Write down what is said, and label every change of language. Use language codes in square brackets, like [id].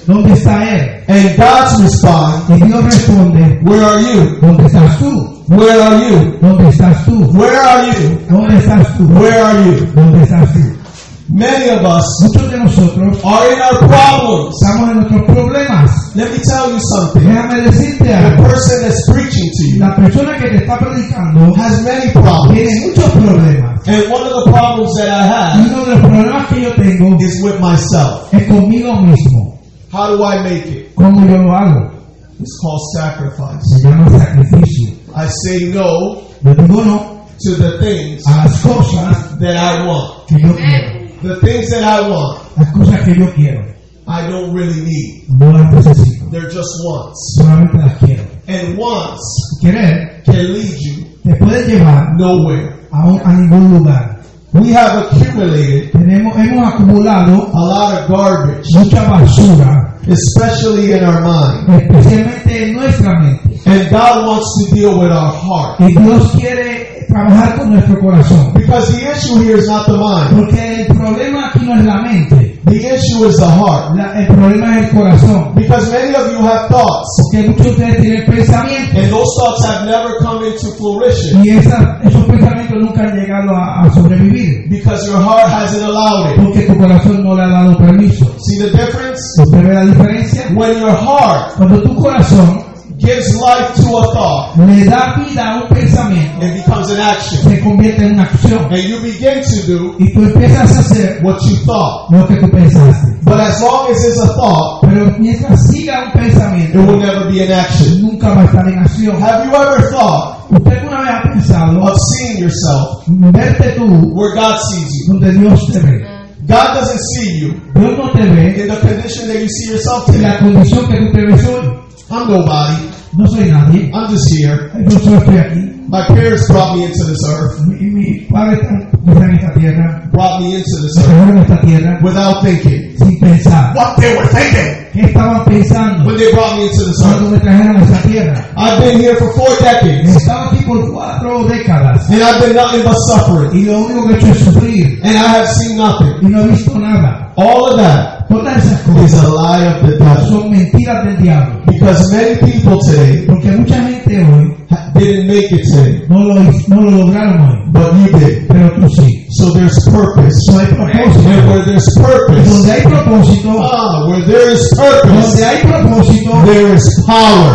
[es] ¿Dónde está él? [en] And God's response. [es] Y Dios responde. [en] Where are you? [es] ¿Dónde estás tú? [en] Where are you? [es] ¿Dónde estás tú? [en] Where are you? [es] ¿Dónde estás tú? [en] Where are you? [es] ¿Dónde estás tú? [en] Many of us, [es] muchos de nosotros, [en] are in our problems. [es] Estamos en nuestros problemas. [en] Let me tell you something. [es] Déjame decirte algo. [en] The person that's preaching to you, [es] la persona que te está predicando, [en] has many problems. [es] Tiene muchos problemas. [en] And one of the problems that I have, [es] y uno de los problemas que yo tengo, [en] is with myself. [es] Es conmigo mismo. [en] How do I make it? [es] ¿Cómo yo lo hago? [en] It's called sacrifice. [es] Se llama sacrificio. [en] I say no. [es] Yo digo no. [en] To the things, [es] a las cosas, [en] that I want, [es] que yo quiero. [en] The things that I want, [es] las cosas que yo quiero, [en] I don't really need. [es] No las necesito. [en] They're just wants. [es] Solamente las quiero. [en] And wants, [es] querer, [en] can lead you, [es] te puede llevar, [en] nowhere, [es] a ningún lugar. [en] We have accumulated [es] hemos acumulado [en] a lot of garbage, [es] mucha basura, [en] especially in our mind. [es] Especialmente en nuestra mente. [en] And God wants to deal with our heart. [es] Y Dios quiere trabajar con nuestro corazón. [en] Because the issue here is not the mind. [es] Porque el problema aquí no es la mente. [en] The issue is the heart. [es] El problema es el corazón. [en] Because many of you have thoughts. [es] Porque muchos de ustedes tienen pensamientos. [en] And those thoughts have never come into fruition. [es] Y esos pensamientos nunca han llegado a sobrevivir. [en] Because your heart hasn't allowed it. [es] Porque tu corazón no le ha dado permiso. [en] See the difference? [es] ¿Usted ve la diferencia? [en] When your heart, [es] cuando tu corazón [en] gives life to a thought, [es] le da vida a un pensamiento, [en] it becomes an action. [es] Se convierte en una acción. [en] And you begin to do, [es] y tú empiezas a hacer [en] what you thought, [es] lo que tú pensaste. [en] But as long as it's a thought, [es] pero mientras siga un pensamiento, [en] it will never be an action. [es] Nunca va a estar en acción. [en] Have you ever thought, [es] usted una vez ha pensado, [en] of seeing yourself, [es] verte tú, [en] where God sees you, [es] donde Dios te ve. [en] God doesn't see you, [es] Dios no te ve, [en] in the condition that you see yourself [es] in, la condición que tú te ves hoy. [en] I'm nobody. [es] No soy nadie. [en] I'm just here. [es] Yo solo estoy aquí. [en] My parents brought me into this earth. [es] Mi padre está en esta tierra. [en] Brought me into this earth. [es] Esta tierra. [en] Without thinking. [es] Sin pensar. [en] What they were thinking. [es] ¿Qué estaban pensando? [en] When they brought me into this earth. [es] Cuando me trajeron a esta tierra. [en] I've been here for 4 decades. [es] Estaba aquí por 4 décadas. [en] And I've been nothing but suffering. [es] Y lo único que he hecho es sufrir. [en] And I have seen nothing. [es] Y no he visto nada. [en] All of that. [es] Todas esas cosas [en] is a lie of the devil. [es] Son mentiras del diablo. [en] Because many people today, [es] porque mucha gente hoy, [en] didn't make it today. [es] No lo lograron hoy. [en] But you did. [es] Pero tú sí. [en] So there's purpose. [es] So hay propósito. [en] And where there's purpose, [es] donde hay propósito, [en] where there is purpose, [es] donde hay propósito, [en] there is power.